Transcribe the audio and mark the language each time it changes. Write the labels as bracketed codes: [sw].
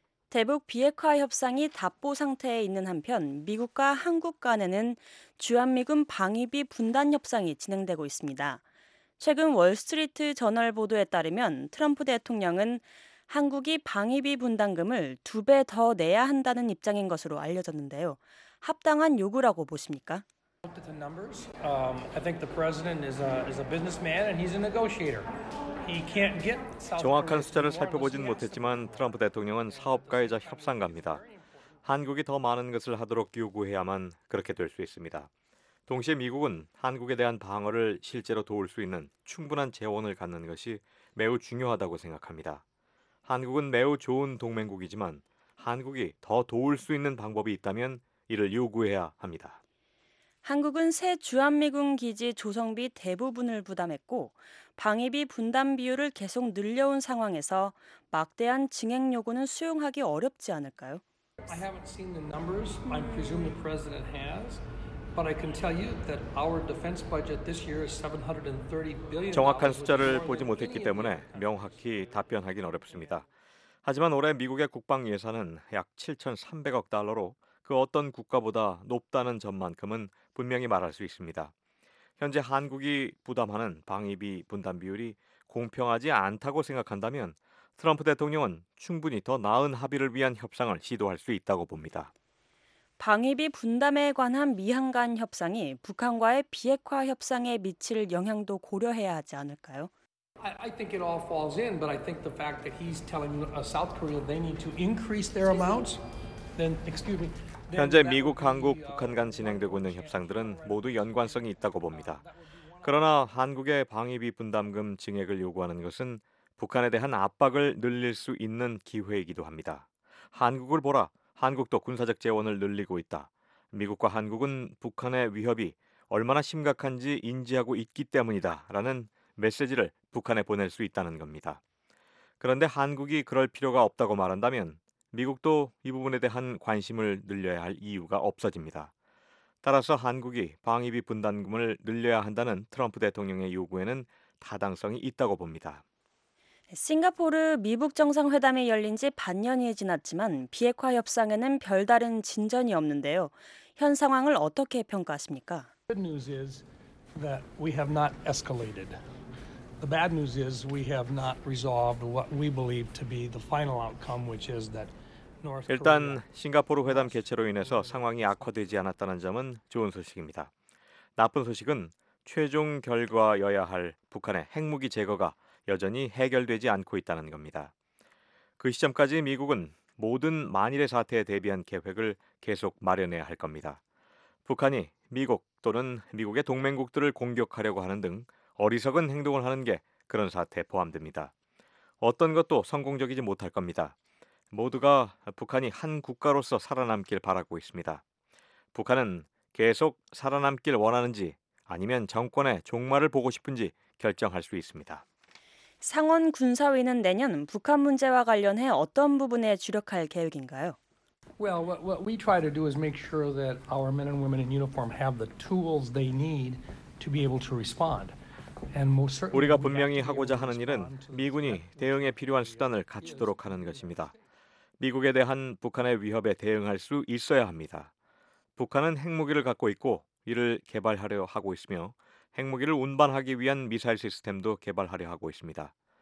[ko] 대북 비핵화 협상이 답보 상태에 있는 한편 미국과 한국 간에는 주한미군 방위비 분담 협상이 진행되고 있습니다. 최근 월스트리트 저널 보도에 따르면 트럼프 대통령은 한국이 방위비 분담금을 두 배 더 내야 한다는 입장인 것으로 알려졌는데요. 합당한 요구라고 보십니까? [en] I think the president is a businessman and he's a negotiator. He can't get [ko] 정확한 숫자를 살펴보진 못했지만 트럼프 대통령은 사업가이자 협상가입니다. 한국이 더 많은 것을 하도록 요구해야만 그렇게 될 수 있습니다. 동시에 미국은 한국에 대한 방어를 실제로 도울 수 있는 충분한 재원을 갖는 것이 매우 중요하다고 생각합니다. 한국은 매우 좋은 동맹국이지만 한국이 더 도울 수 있는 방법이 있다면 이를 요구해야 합니다. 한국은 새 주한미군 기지 조성비 대부분을 부담했고 방위비 분담 비율을 계속 늘려온 상황에서 막대한 증액 요구는 수용하기 어렵지 않을까요? [en] I haven't seen the numbers. I presume the president has. But I can tell you that our defense budget this year is $730 billion. [ko] 정확한 숫자를 보지 못했기 때문에 명확히 답변하기는 어렵습니다. 하지만 올해 미국의 국방 예산은 약 7,300억 달러로 그 어떤 국가보다 높다는 점만큼은 분명히 말할 수 있습니다. 현재 한국이 부담하는 방위비 분담 비율이 공평하지 않다고 생각한다면 트럼프 대통령은 충분히 더 나은 합의를 위한 협상을 시도할 수 있다고 봅니다. 방위비 분담에 관한 미한 간 협상이 북한과의 비핵화 협상에 미칠 영향도 고려해야 하지 않을까요? [en] I think it all falls in, but I think the fact that he's telling South Korea they need to increase their amounts, then excuse me. [ko] 현재 미국, 한국, 북한 간 진행되고 있는 협상들은 모두 연관성이 있다고 봅니다. 그러나 한국의 방위비 분담금 증액을 요구하는 것은 북한에 대한 압박을 늘릴 수 있는 기회이기도 합니다. 한국을 보라. 한국도 군사적 재원을 늘리고 있다. 미국과 한국은 북한의 위협이 얼마나 심각한지 인지하고 있기 때문이다. 라는 메시지를 북한에 보낼 수 있다는 겁니다. 그런데 한국이 그럴 필요가 없다고 말한다면 미국도 이 부분에 대한 관심을 늘려야 할 이유가 없어집니다. 따라서 한국이 방위비 분담금을 늘려야 한다는 트럼프 대통령의 요구에는 타당성이 있다고 봅니다. 싱가포르 미북 정상회담이 열린 지 반년이 지났지만 비핵화 협상에는 별다른 진전이 없는데요. 현 상황을 어떻게 평가하십니까? [en] Good news is that we have not escalated. The bad news is we have not resolved what we believe to be the final outcome, which is that North Korea. [ko] 일단 싱가포르 회담 개최로 인해서 상황이 악화되지 않았다는 점은 좋은 소식입니다. 나쁜 소식은 최종 결과여야 할 북한의 핵무기 제거가 여전히 해결되지 않고 있다는 겁니다. 그 시점까지 미국은 모든 만일의 사태에 대비한 계획을 계속 마련해야 할 겁니다. 북한이 미국 또는 미국의 동맹국들을 공격하려고 하는 등 어리석은 행동을 하는 게 그런 사태에 포함됩니다. 어떤 것도 성공적이지 못할 겁니다. 모두가 북한이 한 국가로서 살아남길 바라고 있습니다. 북한은 계속 살아남길 원하는지 아니면 정권의 종말을 보고 싶은지 결정할 수 있습니다. 상원 군사위는 내년 북한 문제와 관련해 어떤 부분에 주력할 계획인가요? [en] Well, what we try to do is make sure that our men and women in uniform have the tools they need to be able to respond. [ko] 우리가 분명히 하고자 하는 일은 미군이 대응에 필요한 수단을 갖추도록 하는 것입니다. 미국에 대한 북한의 위협에 대응할 수 있어야 합니다. 북한은 핵무기를 갖고 있고 이를 개발하려 하고 있으며 핵무기를 운반하기 위한 미사일 시스템도 개발하려 하고 있습니다.